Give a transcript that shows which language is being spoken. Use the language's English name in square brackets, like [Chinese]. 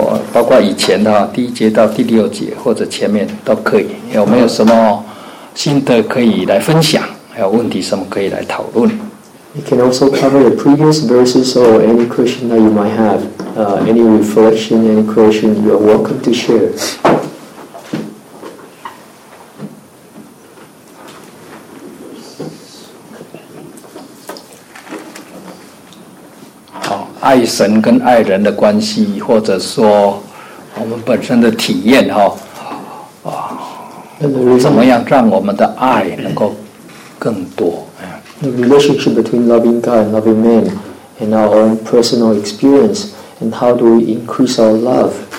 [Chinese] 包括以前的第一节到第六节或者前面都可以，有没有什么新的可以来分享，有问题什么可以来讨论。 [English] You can also cover the previous verses or any question that you might have, any reflection, any question, you are welcome to share. [Chinese] 好，爱神跟爱人的关系，或者说我们本身的体验哈，怎么样让我们的爱能够更多 [English] ？The relationship between loving God and loving man, and our own personal experience, and how do we increase our love?